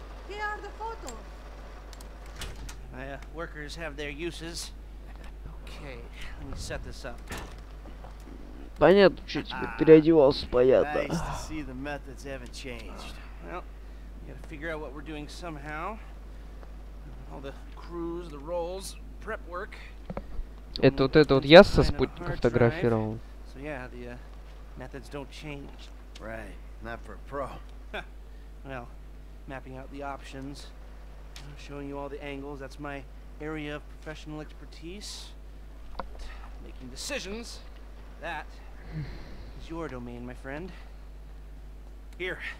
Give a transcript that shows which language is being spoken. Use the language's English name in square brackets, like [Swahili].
[English] My workers have their uses. Okay, let me set this up. [Russian] Понятно, что тебе переодевался, понятно. [English] Nice to see the methods haven't changed. Well, gotta figure out what we're doing somehow. All the crews, the roles, prep work. [Russian] Это вот это вот я со спутника фотографировал. [English] So yeah, the methods don't change. Right, not for a pro. Well, mapping out the options, showing you all the angles, that's my area of professional expertise. Making decisions, that is your domain, my friend. Here.